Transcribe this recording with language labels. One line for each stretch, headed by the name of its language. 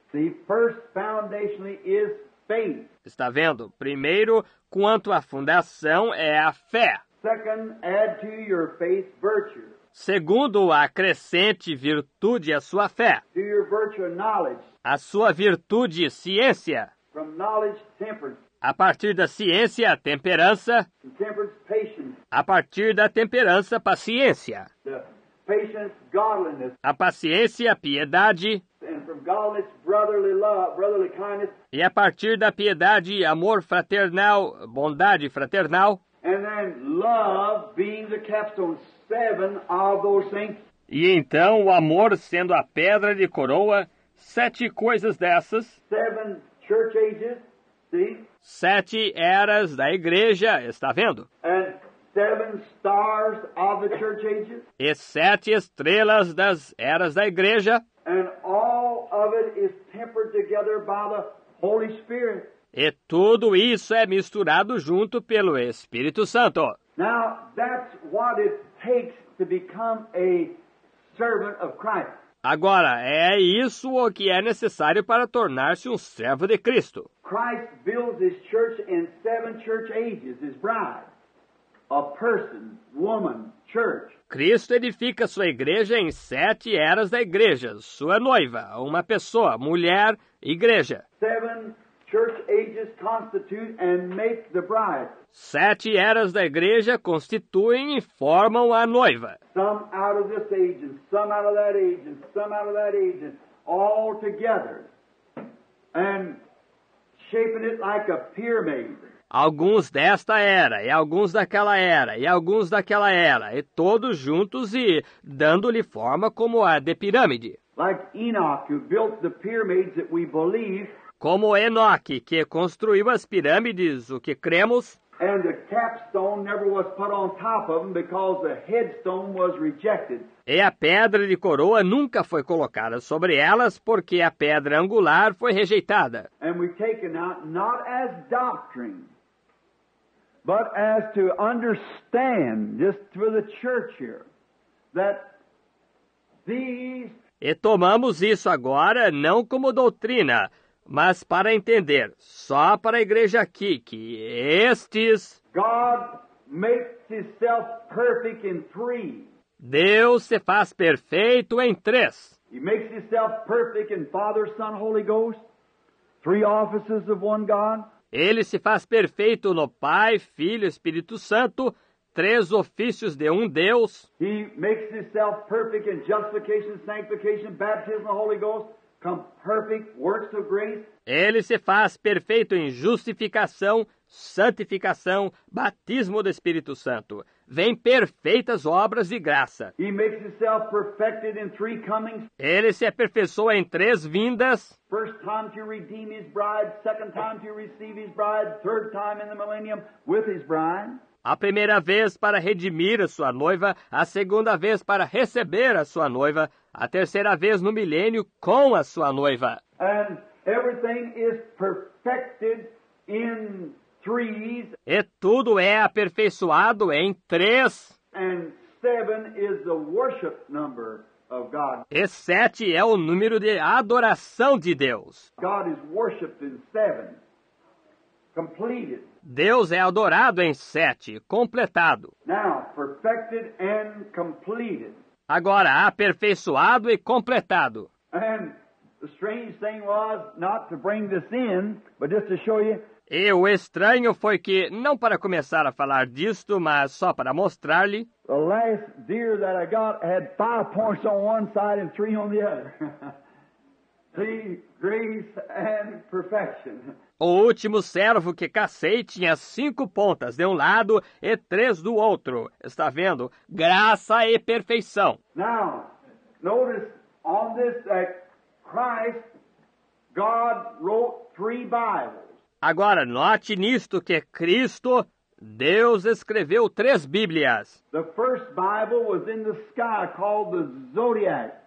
English: The first foundationally is faith.
Portuguese: Está vendo? Primeiro, quanto à fundação, é a fé.
English: Second, add to your faith virtue.
Portuguese: Segundo, acrescente virtude à sua fé.
English: To your virtue and knowledge.
Portuguese: A sua virtude e ciência.
English: From knowledge, temperance.
Portuguese: A partir da ciência, temperança.
English: Temperance, patience.
Portuguese: A partir da temperança, paciência.
English: Patience, godliness.
Portuguese: A paciência, piedade.
English: And from godliness, brotherly love, brotherly kindness.
Portuguese: E a partir da piedade, amor fraternal, bondade fraternal.
English: And then love being the capstone, seven of those things.
Portuguese: E então o amor sendo a pedra de coroa, sete coisas dessas.
English: Seven church ages, see?
Portuguese: Sete eras da igreja, está vendo?
English: And seven stars of the church ages.
Portuguese: E sete estrelas das eras da igreja.
English: And all of it is tempered together by the Holy Spirit.
Portuguese: E tudo isso é misturado junto pelo Espírito Santo.
English: Now, that's what it takes to become a servant of Christ.
Portuguese: Agora, é isso o que é necessário para tornar-se um servo de Cristo.
English: Christ builds his church in seven church ages, his bride, a person, woman, church.
Portuguese: Cristo edifica sua igreja em sete eras da igreja, sua noiva, uma pessoa, mulher, igreja.
English: Seven church ages constitute and make the bride.
Portuguese: Sete eras da igreja constituem e formam a noiva.
English: Some out of this age and some out of that age and some out of that age and all together and shaping it like a pyramid.
Portuguese: Alguns desta era e alguns daquela era e alguns daquela era e todos juntos e dando-lhe forma como a de pirâmide.
English: Like Enoch who built the pyramids that we believe.
Portuguese: Como Enoch, que construiu as pirâmides, o que cremos.
English: And the capstone never was put on top of them because the headstone was rejected.
Portuguese: E a pedra de coroa nunca foi colocada sobre elas porque a pedra angular foi rejeitada.
English: And we take it out not as doctrine, but as to understand, just for the church here, that these...
Portuguese: E tomamos isso agora não como doutrina, mas para entender, só para a igreja aqui, que estes...
English: God makes himself perfect in three.
Portuguese: Deus se faz perfeito em três.
English: He makes himself perfect in Father, Son, Holy Ghost. Three offices of one God.
Portuguese: Ele se faz perfeito no Pai, Filho e Espírito Santo. Três ofícios de um Deus.
English: He makes himself perfect in justification, sanctification, baptism, Holy Ghost. Come perfect works of grace.
Portuguese: Ele se faz perfeito em justificação, santificação, batismo do Espírito Santo. Vem perfeitas obras de graça.
English: He makes himself perfected in three comings.
Portuguese: Ele se aperfeiçoa em três vindas.
English: First time to redeem his bride, second time to receive his bride, third time in the millennium with his bride.
Portuguese: A primeira vez para redimir a sua noiva, a segunda vez para receber a sua noiva, a terceira vez no milênio com a sua noiva.
English: And everything is perfected in threes.
Portuguese: E tudo é aperfeiçoado em três.
English: And seven is the worship number of God.
Portuguese: E sete é o número de adoração de Deus.
English: God is worshipped in seven. Completed.
Portuguese: Deus é adorado em sete, completado.
English: Now, perfected and completed.
Portuguese: Agora, aperfeiçoado e completado.
English: And the strange thing was not to bring this in, but just to show you
Portuguese: E o estranho foi que, não para começar a falar disto, mas só para mostrar-lhe...
English: The last deer that I got had 5 points on one side and 3 on the other. See, grace and perfection.
Portuguese: O último servo que cacei tinha 5 pontas de um lado e 3 do outro. Está vendo? Graça e perfeição.
English: Now, notice on this that Christ, God wrote 3 Bibles.
Portuguese: Agora, note nisto que Cristo, Deus, escreveu 3 Bíblias.
English: The first Bible was in the sky called the Zodiac.